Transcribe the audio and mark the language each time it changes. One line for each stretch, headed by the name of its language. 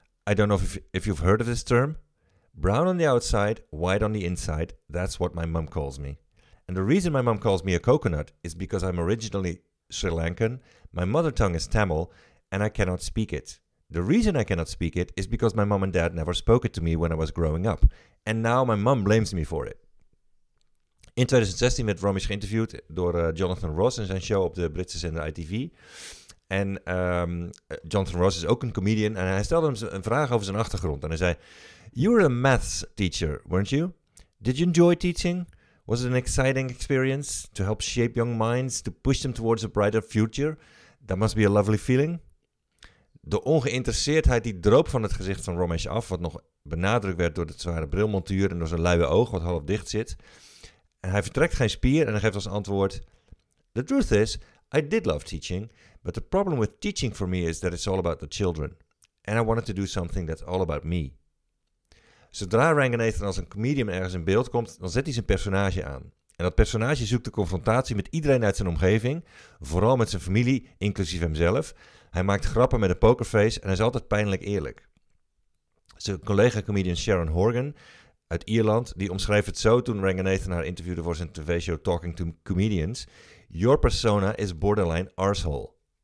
English: I don't know if you've heard of this term. Brown on the outside, white on the inside, that's what my mum calls me. And the reason my mum calls me a coconut is because I'm originally Sri Lankan, my mother tongue is Tamil, and I cannot speak it. The reason I cannot speak it is because my mum and dad never spoke it to me when I was growing up. And now my mum blames me for it."
Dutch: In 2016 werd Ramesh geïnterviewd door Jonathan Ross in zijn show op de Britse zender ITV. En Jonathan Ross is ook een comedian en hij stelde hem een vraag over zijn achtergrond. En hij zei:
English: "You were a maths teacher, weren't you? Did you enjoy teaching? Was it an exciting experience to help shape young minds, to push them towards a brighter future? That must be a lovely feeling."
Dutch: De ongeïnteresseerdheid die droop van het gezicht van Ramesh af, wat nog benadrukt werd door de zware brilmontuur en door zijn luie oog wat half dicht zit. En hij vertrekt geen spier en hij geeft als antwoord:
English: "The truth is, I did love teaching, but the problem with teaching for me is that it's all about the children. And I wanted to do something that's all about me."
Dutch: Zodra Ranganathan als een comedian ergens in beeld komt, dan zet hij zijn personage aan. En dat personage zoekt de confrontatie met iedereen uit zijn omgeving, vooral met zijn familie, inclusief hemzelf. Hij maakt grappen met een pokerface en hij is altijd pijnlijk eerlijk. Zijn collega-comedian Sharon Horgan uit Ierland, die omschreef het zo toen Ranganathan haar interviewde voor zijn tv-show Talking to Comedians:
English: "Your persona is borderline arsehole."